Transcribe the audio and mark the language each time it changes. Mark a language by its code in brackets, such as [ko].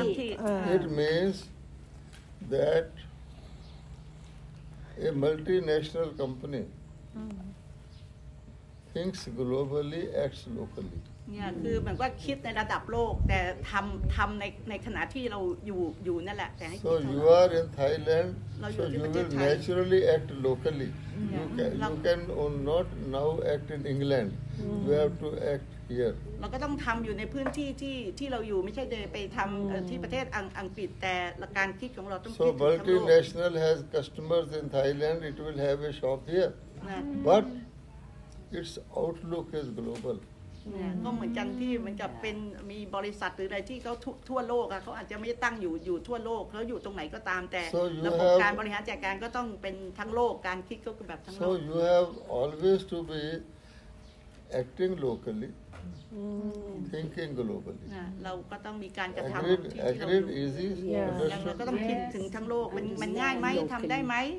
[en] It means that a multinational company thinks globally acts locally เนี่ [th] ยคือเหมือนว่าคิดในระดับโลกแต่ทำในขณะที่เราอยู่นั่นแหละแต่ให้คิด [en] โซ you are in Thailand so you will naturally act locally you can or not now act in England you have to act here [th] เราก็ต้องทำอยู่ในพื้นที่ที่เราอยู่ไม่ใช่ไปทำที่ประเทศอังกฤษแต่การคิดของเราต้องคิดทั้งโลก [en] so multinational has customers in Thailand it will have a shop here butIts outlook is global. [th] ก็เหมือนกันที่มันจะเป็นมีบริษัทหรืออะไรที่เขาทั่วโลกอะเขาอาจจะไม่ตั้งอยู่ทั่วโลกแล้วอยู่ตรงไหนก็ตามแต่ ระบบการบริหารจัดการก็ต้องเป็นทั้งโลกการคิดก็แบบทั้งโลก [en] So you have always to be acting locally, thinking globally. [th] เราก็ต้องมีการกระทำ ที่เราอยู่ [en] Agreed, easy. [th] เราก็ต้องคิดถึงทั้งโลกมันง่ายไหมทำได้ไหม